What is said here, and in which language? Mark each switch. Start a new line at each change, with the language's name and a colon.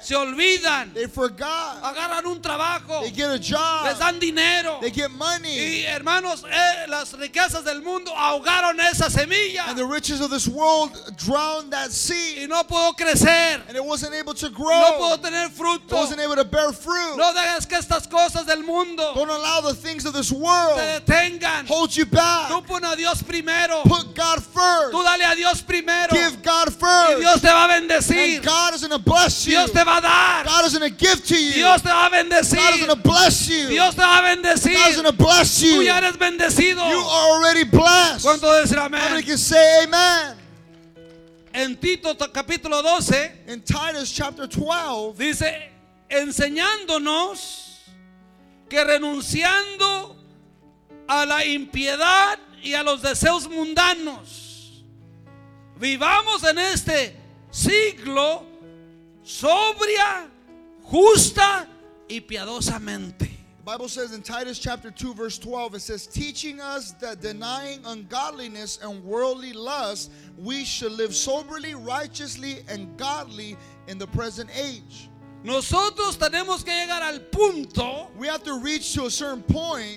Spanish: Se olvidan.
English: They forgot.
Spanish: Agarran un trabajo.
English: They get a job.
Spanish: Les dan dinero.
English: They get money.
Spanish: Y hermanos, las riquezas del mundo ahogaron esa semilla.
English: And the riches of this world drowned that seed.
Spanish: Y no pudo crecer.
English: And it wasn't able to grow.
Spanish: No pudo tener fruto.
English: It wasn't able to bear fruit.
Spanish: No dejes que estas cosas del mundo.
English: Don't allow the things of this world.
Spanish: Te detengan.
English: Hold you back.
Spanish: Tú pon a Dios primero.
English: Put God first.
Spanish: Tú dale a Dios primero.
English: Give God first. first.
Spanish: Y Dios te va a bendecir.
English: And God is going to bless you.
Spanish: Dios te va a dar.
English: God is going to give to you.
Spanish: Dios te va a bendecir.
English: God is going to bless you.
Spanish: Dios te va a bendecir.
English: God is going to bless you.
Spanish: Tú ya eres bendecido.
English: You are already blessed.
Spanish: ¿Cuánto decir amén?
English: How many can say amen?
Spanish: En Tito capítulo 12,
English: in Titus chapter 12,
Spanish: dice enseñándonos que renunciando a la impiedad y a los deseos mundanos vivamos en este siglo sobria, justa y piadosamente.
English: The Bible says in Titus chapter 2 verse 12, it says, teaching us that denying ungodliness and worldly lust, we should live soberly, righteously, and godly in the present age.
Spanish: Nosotros tenemos que llegar al punto,
English: we have to reach to a certain point,